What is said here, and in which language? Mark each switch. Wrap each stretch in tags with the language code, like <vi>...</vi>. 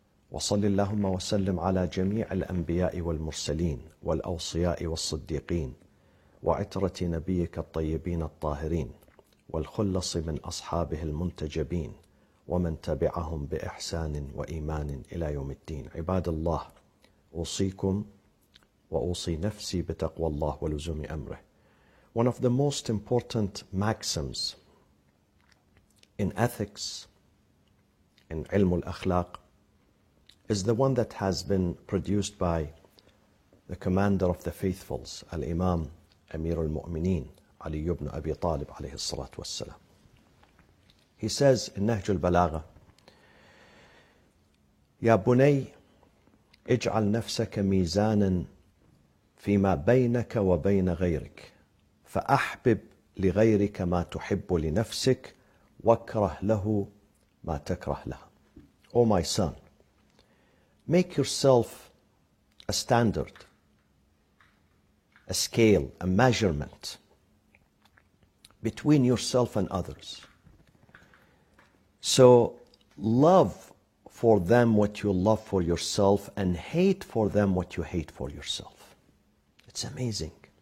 <ar>وصل اللهم وسلم على جميع الأنبياء والمرسلين والأوصياء والصديقين وعترة نبيك الطيبين الطاهرين والخلص من أصحابه المنتجبين ومن تبعهم بإحسان وإيمان إلى يوم الدين. عباد الله، أوصيكم وأوصي نفسي بتقوى الله ولزوم أمره.</ar> <en>One of the most important maxims in ethics, in علم الأخلاق, is the one that has been produced by the commander of the faithfuls, Al-Imam Amir al-Mu'mineen, Ali ibn Abi Talib, alayhi salatu wassalam. He says in Nahj al-Balagha,</en> <ar>يا بني اجعل نفسك ميزانا فيما بينك وبين غيرك فأحبب لغيرك ما تحب لنفسك واكره له ما تكره له.</ar> <en>O my son, make yourself a standard, a scale, a measurement between yourself and others. So love for them what you love for yourself and hate for them what you hate for yourself. It's amazing.</en>